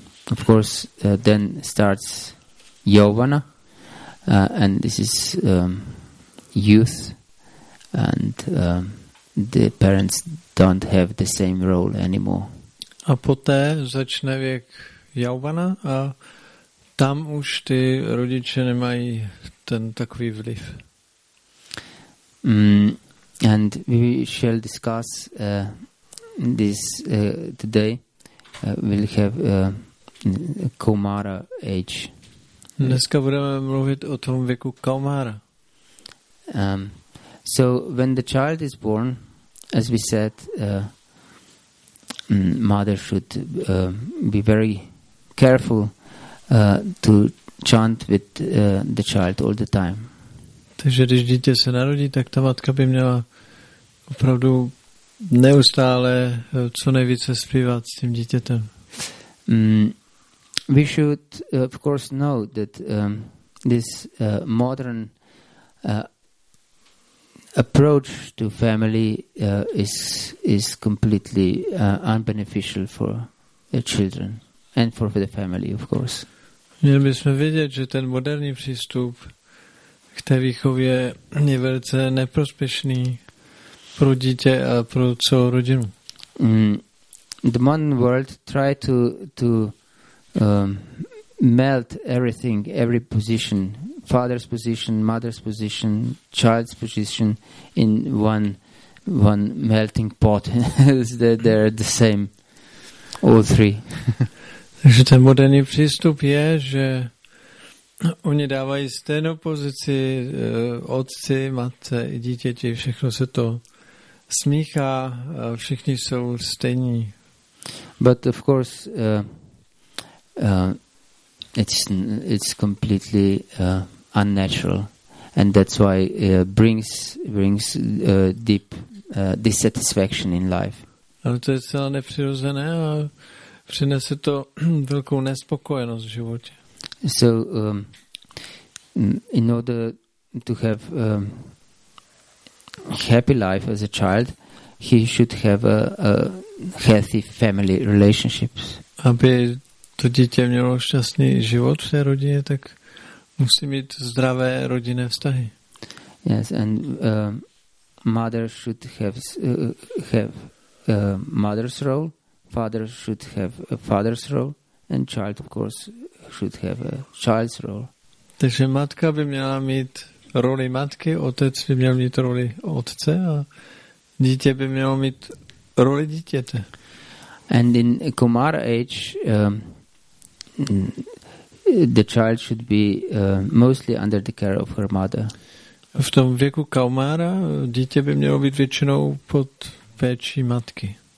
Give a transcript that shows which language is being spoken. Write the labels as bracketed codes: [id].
[en] Of course, then starts Yauvana, and this is youth. And the parents don't have the same role anymore. [cs] A poté začne věk Yauvana a tam už ty rodiče nemají ten takový vliv. [en] And we shall discuss this today. We'll have Kaumara age. [cs] Dneska budeme mluvit o tom věku Kaumara. [en] So when the child is born, as we said, mother should be very careful to chant with the child all the time. [cs] Takže když dítě se narodí, tak ta matka by měla opravdu neustále co nejvíce zpívat s tím dítětem. [en] We should of course know that this modern approach to family is completely unbeneficial for the children and for the family, of course. [cs] Měli bychom vědět, že ten moderní přístup k té výchově je velice neprospěšný pro dítě a pro celou rodinu. [en] The modern world try to melt everything, every position, father's position, mother's position, child's position in one melting pot. They're the same, all three. [cs] Takže ten moderní přístup je, že oni dávají stejnou pozici otci, matce i dítěti, všechno se to smíchá, všichni jsou stejní. [en] But of course, it's completely unnatural, and that's why brings deep dissatisfaction in life. [cs] Ale to je celé nepřirozené a přinese to velkou nespokojenost v životě. [en] So in order to have happy life as a child, he should have a healthy family relationships. [cs] Aby to dítě mělo šťastný život v té rodině, tak musí mít zdravé rodinné vztahy. [en] Yes, and mother should have mother's role, father should have a father's role, and child, of course, should have a child's role. [cs] Takže matka by měla mít roli matky, otec by měl mít roli otce a dítě by mělo mít roli dítěte. [en] And in Kumara age, the child should be mostly under the care of her mother. [cs] V tom věku kaumára dítě by mělo být většinou pod péčí matky.